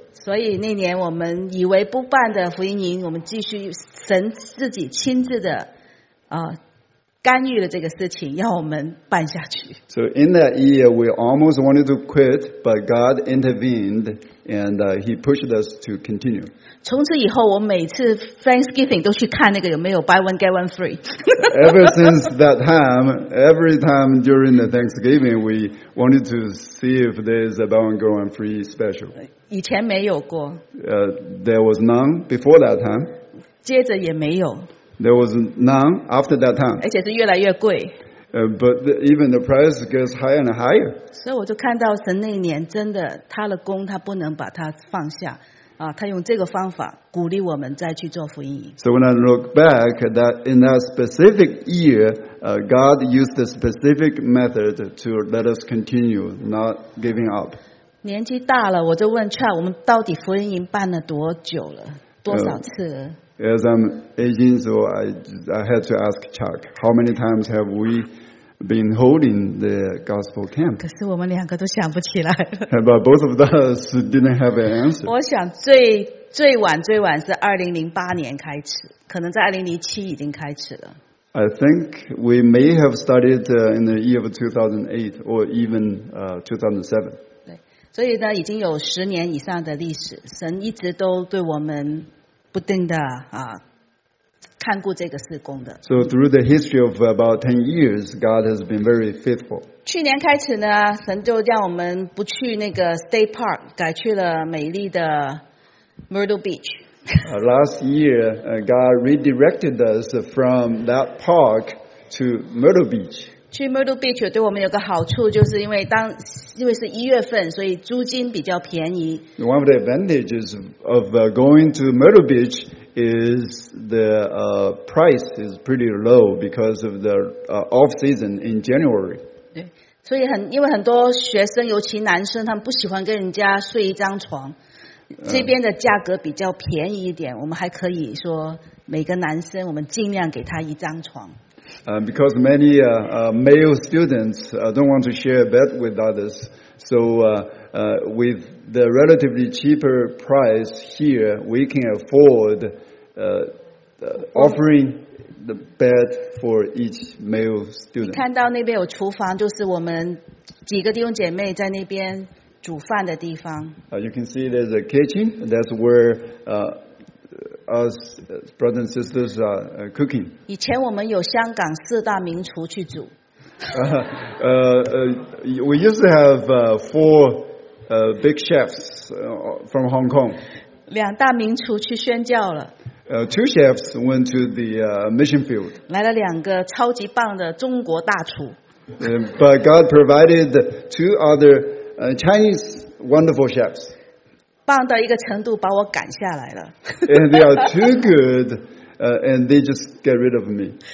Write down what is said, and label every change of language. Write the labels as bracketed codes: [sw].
[zh] 所以那年我们以为不办的福音营，我们继续神自己亲自的干预了这个事情，要我们办下去。 [en] So in that year, we almost wanted to quit, but God intervened and He pushed us to continue. [zh] 从此以后，我每次 Thanksgiving 都去看那个有没有 buy one get one free. [en] Ever since that time, every time during the Thanksgiving, we wanted to see if there is a buy one get one free special. [zh] 以前没有过。 [en] There was none before that time. [zh] 接着也没有。 [en] There was none after that time. [zh] 而且是越来越贵。 [en] But even the price gets higher and higher. [zh] 所以我就看到神那年真的他的工他不能把它放下啊，他用这个方法鼓励我们再去做福音营。 [en] So when I look back that in that specific year, God used the specific method to let us continue not giving up. [zh] 年纪大了，我就问 Chad， 我们到底福音营办了多久了？多少次了？ [en] As I'm aging, so I had to ask Chuck, how many times have we been holding the gospel camp? [zh] 可是我们两个都想不起来。 [en] But both of us didn't have an answer. [zh] 我想最晚是2008年开始，可能在2007已经开始了。 [en] I think we may have started in the year of 2008 or even 2007. [zh] 对，所以呢，已经有十年以上的历史，神一直都对我们。不定的啊，看顾这个事工的。 [en] So through the history of about 10 years, God has been very faithful. [zh] 去年开始呢，神就让我们不去那个 State Park， 改去了美丽的 Myrtle Beach. [en] Last year, God redirected us from that park to Myrtle Beach. [zh] 去 Myrtle Beach 对我们有个好处，就是因为是一月份，所以租金比较便宜。 [en] One of the advantages of going to Myrtle Beach is the price is pretty low because of the off season in January. [zh] 对，所以因为很多学生，尤其男生，他们不喜欢跟人家睡一张床，这边的价格比较便宜一点，我们还可以说每个男生，我们尽量给他一张床。 [en] Because many male students don't want to share a bed with others, so with the relatively cheaper price here, we can afford offering the bed for each male student. [zh] 你看到那边有厨房，就是我们几个弟兄姐妹在那边煮饭的地方。 [en] You can see there's a kitchen. That's where us brothers and sisters are cooking. [zh] 以前我们有香港四大名厨去煮。 [en] We used to have four big chefs from Hong Kong. [zh] 两大名厨去宣教了。 [en] two chefs went to the mission field. [zh] 来了两个超级棒的中国大厨。 [en] But God provided two other Chinese wonderful chefs. [zh] 棒到一个程度把我赶下来了。 [en] And they are too good, and they just get rid of me.